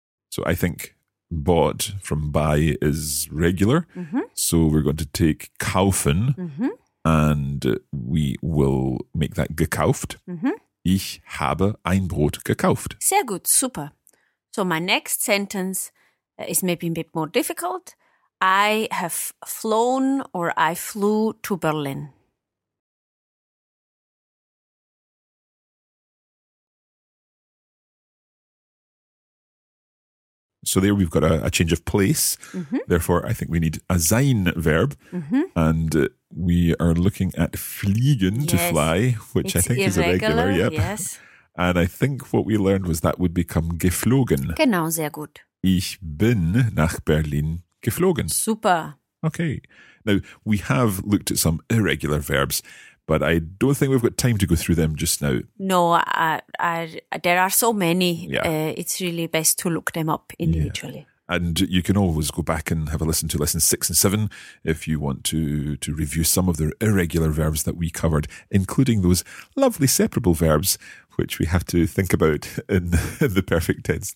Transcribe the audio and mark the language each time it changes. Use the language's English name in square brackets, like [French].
[English] So I think bought from buy is regular. Mm-hmm. So we're going to take kaufen and we will make that gekauft. Mm-hmm. [German] Ich habe ein Brot gekauft. Sehr gut, super. [English] So my next sentence is maybe a bit more difficult. I have flown or I flew to Berlin. So there we've got a change of place. Mm-hmm. Therefore, I think we need a sein verb. Mm-hmm. And we are looking at fliegen, yes, to fly, which it's I think irregular, is irregular. Yep. Yes. And I think what we learned was that would become geflogen. [German] Genau, sehr gut. Ich bin nach Berlin geflogen. Super. [English] Okay. Now, we have looked at some irregular verbs, but I don't think we've got time to go through them just now. No, there are so many. Yeah. It's really best to look them up individually. Yeah. And you can always go back and have a listen to lessons 6 and 7 if you want to review some of the irregular verbs that we covered, including those lovely separable verbs, which we have to think about in the perfect tense.